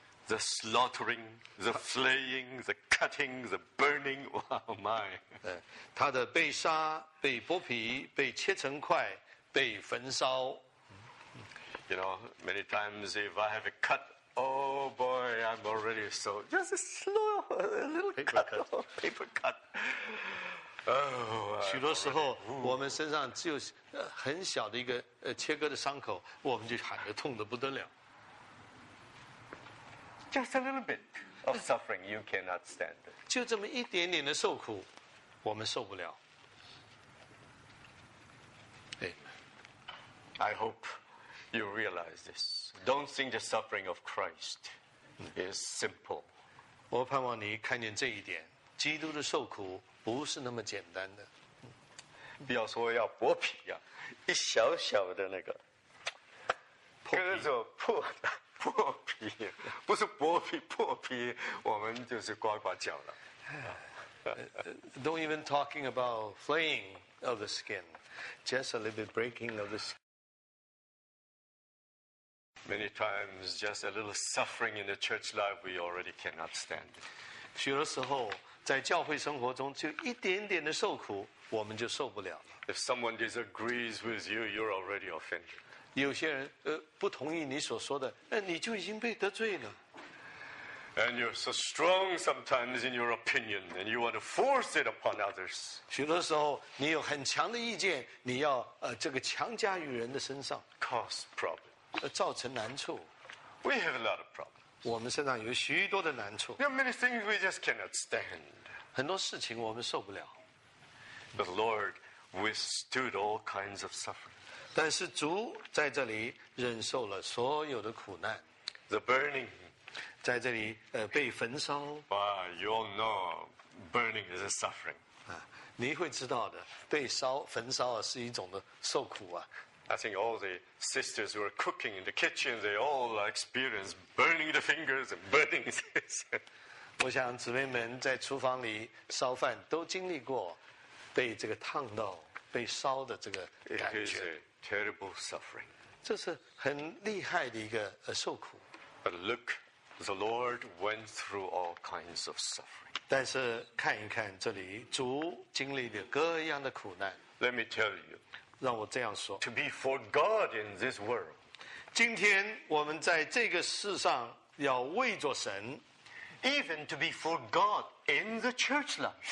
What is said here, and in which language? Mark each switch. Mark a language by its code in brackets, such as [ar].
[en] The slaughtering, the flaying, the cutting, the burning. Wow, my. [zh] 他的被杀。被剥皮，被切成块，被焚烧。 [en] You know, many times if I have a cut, oh boy, I'm already so just a little cut, paper cut. Oh, [zh] 许多时候我们身上只有很小的一个切割的伤口，我们就喊得痛得不得了。 [en] Just a little bit of suffering, you cannot stand. [zh] 就这么一点点的受苦，我们受不了。 [en] I hope you realize this. Don't think the suffering of Christ is simple. [zh] 我盼望你看见这一点，基督的受苦不是那么简单的。不要说要薄皮呀、啊，一小小的那个，破皮割着破的破皮，不是薄皮破皮，我们就是呱呱叫了。 [en] Don't even talking about flaying of the skin, just a little bit breaking of the skin. Many times, just a little suffering in the church life, we already cannot stand. [zh] 许多时候，在教会生活中，就一点点的受苦。我们就受不了了。 [en] If someone disagrees with you, you're already offended. [zh] 有些人不同意你所说的，你就已经被得罪了。 [en] And you're so strong sometimes in your opinion, and you want to force it upon others. [zh] 许多时候，你有很强的意见，你要这个强加于人的身上。 [en] Cause problems. [zh] 造成难处。 [en] We have a lot of problems. [zh] 我们身上有许多的难处。 [en] There are many things we just cannot stand. [zh] 很多事情我们受不了。 [en] The Lord withstood all kinds of suffering. [zh] 但是主在这里忍受了所有的苦难。 [en] The burning, [zh] 在这里被焚烧。 [en] Ah, you all know, burning is a suffering. [zh] 你会知道的，被烧焚烧是一种的受苦啊。 [en] I think all the sisters who are cooking in the kitchen, they all experience burning the fingers and burning. [zh] 我想姊妹们在厨房里烧饭都经历过。被这个烫到、被烧的这个感觉 [en] ，It is a terrible suffering. [zh] 这是很厉害的一个受苦。 [en] But look, the Lord went through all kinds of suffering. [zh] 但是看一看这里，主经历了各样的苦难。 [en] Let me tell you, [zh] 让我这样说 [en] ，To be for God in this world. [zh] 今天我们在这个世上要为着神 [en] ，Even to be for God in the church life.